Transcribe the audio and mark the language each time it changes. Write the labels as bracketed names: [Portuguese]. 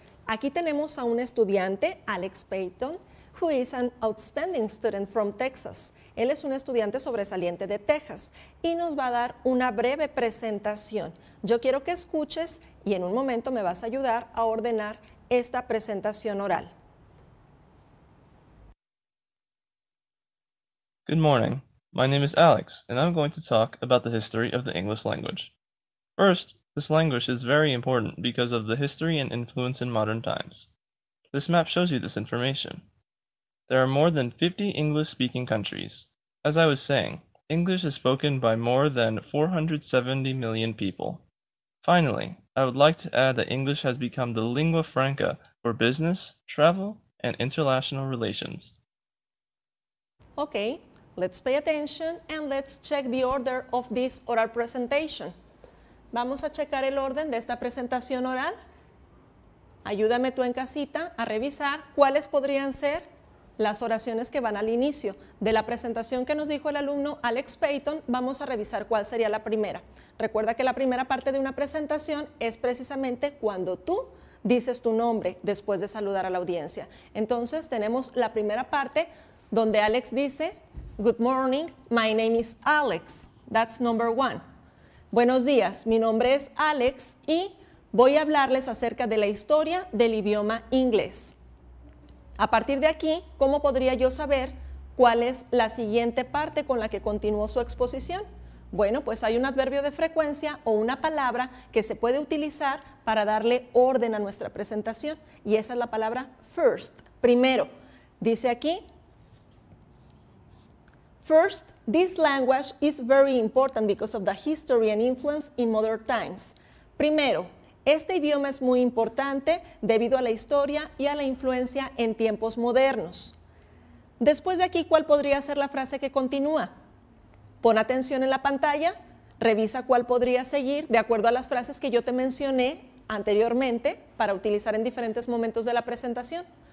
[Spanish] Aquí tenemos a un estudiante, [English] Alex Payton, who is an outstanding student from Texas. [Spanish] Él es un estudiante sobresaliente de Texas y nos va a dar una breve presentación. Yo quiero que escuches y en un momento me vas a ayudar a ordenar esta presentación oral. [English] Good morning. My name is Alex, and I'm going to talk about the history of the English language. First, this language is very important because of the history and influence in modern times. This map shows you this information. There are more than 50 English-speaking countries. As I was saying, English is spoken by more than 470 million people. Finally, I would like to add that English has become the lingua franca for business, travel, and international relations. Okay, let's pay attention and let's check the order of this oral presentation. [Spanish] Vamos a checar el orden de esta presentación oral. Ayúdame tú en casita a revisar cuáles podrían ser las oraciones que van al inicio de la presentación que nos dijo el alumno Alex Payton. Vamos a revisar cuál sería la primera. Recuerda que la primera parte de una presentación es precisamente cuando tú dices tu nombre después de saludar a la audiencia. Entonces, tenemos la primera parte donde Alex dice, [English] Good morning, my name is Alex. That's number one. [Spanish] Buenos días, mi nombre es Alex y voy a hablarles acerca de la historia del idioma inglés. A partir de aquí, ¿cómo podría yo saber cuál es la siguiente parte con la que continuó su exposición? Bueno, pues hay un adverbio de frecuencia o una palabra que se puede utilizar para darle orden a nuestra presentación y esa es la palabra first, primero. Dice aquí, [English] first, this language is very important because of the history and influence in modern times. [Spanish] Primero, este idioma es muy importante debido a la historia y a la influencia en tiempos modernos. Después de aquí, ¿cuál podría ser la frase que continúa? Pon atención en la pantalla, revisa cuál podría seguir de acuerdo a las frases que yo te mencioné anteriormente para utilizar en diferentes momentos de la presentación.